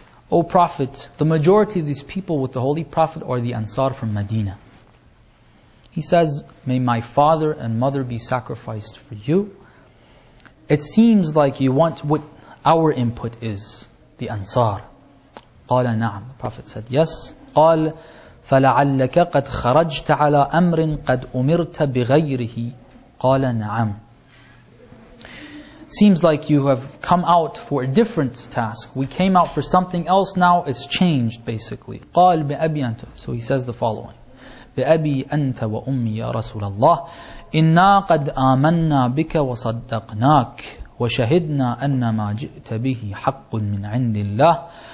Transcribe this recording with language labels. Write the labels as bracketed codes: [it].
[en] O Prophet, the majority of these people with the Holy Prophet are the Ansar from Medina. He says, may my father and mother be sacrificed for you. It seems like you want what our input is, the Ansar. [ar] قال نعم. [en] The Prophet said yes. [ar] قال فلعلك قد خرجت على أمر قد أمرت بغيره. قال نعم. [en] Seems like you have come out for a different task. We came out for something else. Now it's changed, basically. [ar] قال بأبي أنت. [en] So he says the following. [ar] بأبي أنت وأمي يا رسول الله. إنا قد آمنا بك وصدقناك وشهدنا أن ما جئت به حق من عند الله.